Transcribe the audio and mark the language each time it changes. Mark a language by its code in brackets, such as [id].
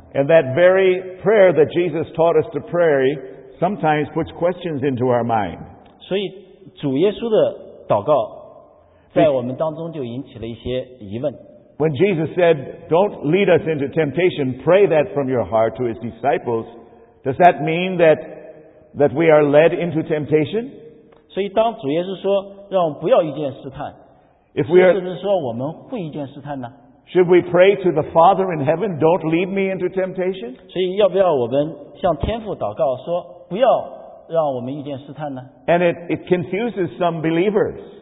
[en] And that very prayer that Jesus taught us to pray sometimes puts questions into our mind. [zh] 所以主耶稣的祷告在我们当中就引起了一些疑问。 [en] When Jesus said, "Don't lead us into temptation," pray that from your heart to his disciples. Does that mean that we are led into temptation? [zh] 所以当主耶稣说让我们不要遇见试探， [en] if we are, [zh] 是不是说我们会遇见试探呢？ [en] Should we pray to the Father in heaven, don't lead me into temptation? [zh] 所以要不要我们向天父祷告说不要让我们遇见试探呢？ [en] And it confuses some believers.